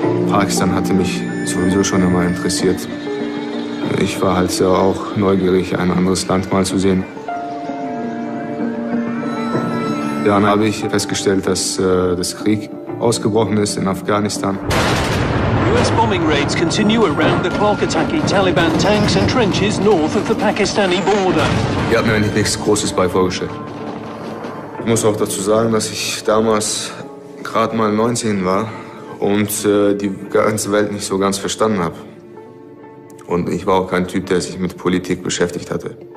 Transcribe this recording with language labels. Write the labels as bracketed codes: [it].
[de] Pakistan hatte mich sowieso schon immer interessiert. Ich war halt ja auch neugierig, ein anderes Land mal zu sehen. Dann habe ich festgestellt, dass das Krieg ausgebrochen ist in Afghanistan. [en] US bombing raids continue around the clock, attacking Taliban tanks and trenches north of the Pakistani border. [de] Ihr habt mir eigentlich nichts Großes bei vorgestellt. Ich muss auch dazu sagen, dass ich damals gerade mal 19 war und die ganze Welt nicht so ganz verstanden habe. Und ich war auch kein Typ, der sich mit Politik beschäftigt hatte.